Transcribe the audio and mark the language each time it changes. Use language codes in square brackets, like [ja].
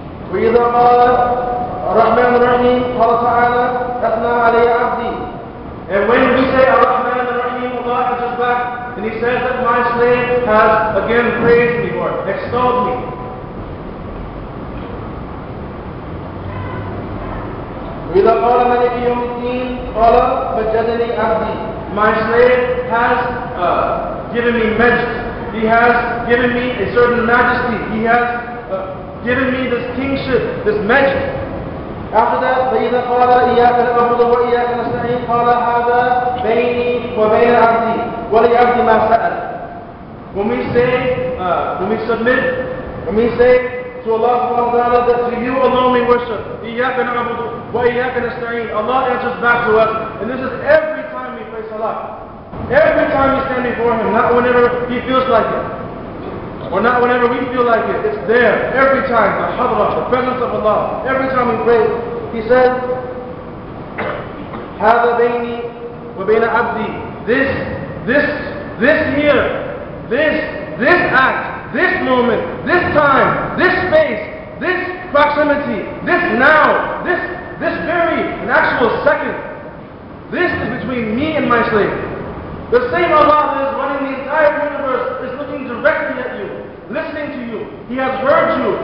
[en] We either call Ar-Rahman Ar-Rahim, call Ta'ala, Athna Alayya Abdi. And when we say Ar-Rahman Ar-Rahim, Allah answers back, and he says that my slave has again praised me or extolled me. [ar] وإذا قال ملك يوم الدين قال مجدني أبدي. [en] My slave has given me majesty. He has given me a certain majesty. He has given me this kingship, this majesty. After that, [ar] فإذا قال إياك نعبد وإياك نستعين قال هذا بيني وبين عبدي ولعبدي ما سأل. [en] When we say, when we submit, when we say to Allah subhanahu wa ta'ala that to you alone we worship, [ar] إياك نعبد وإياك نستعين, [en] Allah answers back to us, and this is every time we pray salah. Every time we stand before Him, not whenever He feels like it, or not whenever we feel like it, it's there, every time, the hadra, the presence of Allah, every time we pray. He said, [ar] هَذَا بَيْنِي وَبَيْنَ عَبْدِي. [en] This here, this act, this moment, this time, this space, this proximity, this now, this very, an actual second, this is between me and my slave. The same Allah that is running the entire universe is looking directly at you, listening to you. He has heard you.